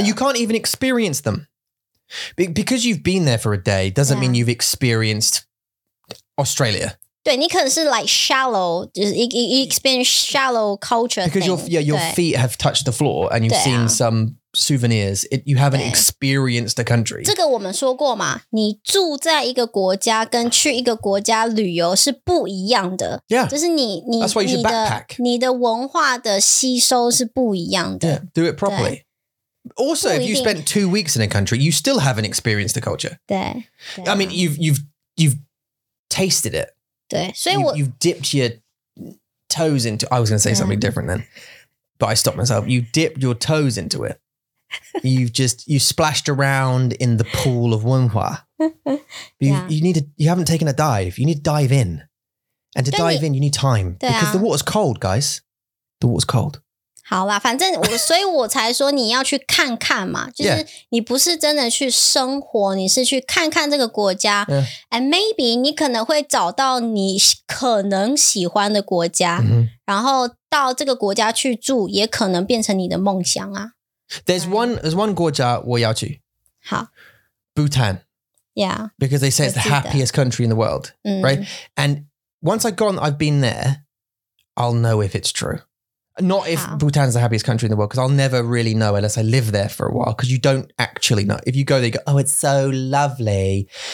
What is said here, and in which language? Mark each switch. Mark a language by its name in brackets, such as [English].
[English] You can't even experience them. Because you've been there for a day doesn't mean you've experienced Australia. [Chinese] 对你可能是 [English] like shallow, [Chinese] 就是 [English] you experience shallow culture. Because thing, your feet have touched the floor and you've seen some souvenirs. You haven't experienced a country. [Chinese] 这个我们说过嘛，你住在一个国家跟去一个国家旅游是不一样的。 [English] Yeah. [Chinese] 就是你 [English] That's why you should backpack. [Chinese] 你的文化的吸收是不一样的。 [English] Yeah, do it properly. Also, if you spent 2 weeks in a country, you still haven't experienced the culture. [Chinese] 对。 [English] I mean, you've tasted it. [Chinese] 对，所以我 [English] you've dipped your toes into. I was going to say something different then, but I stopped myself. You dipped your toes into it. You've just you splashed around in the pool of 文化. You haven't taken a dive. You need to dive in. And to dive in, you need time. Because the water's cold, guys. The water's cold. [Chinese] 好啦，反正我，所以我才说你要去看看嘛，就是你不是真的去生活，你是去看看这个国家。 [English] And maybe [Chinese] 你可能会找到你可能喜欢的国家，然后到这个国家去住，也可能变成你的梦想啊。 [English] There's one [Chinese] 国家我要去。好。 [English] Bhutan. Yeah. Because they say it's the happiest country in the world, right? And once I've been there, I'll know if it's true. Not if Bhutan's the happiest country in the world, because I'll never really know unless I live there for a while, because you don't actually know. If you go there, you go, oh, it's so lovely.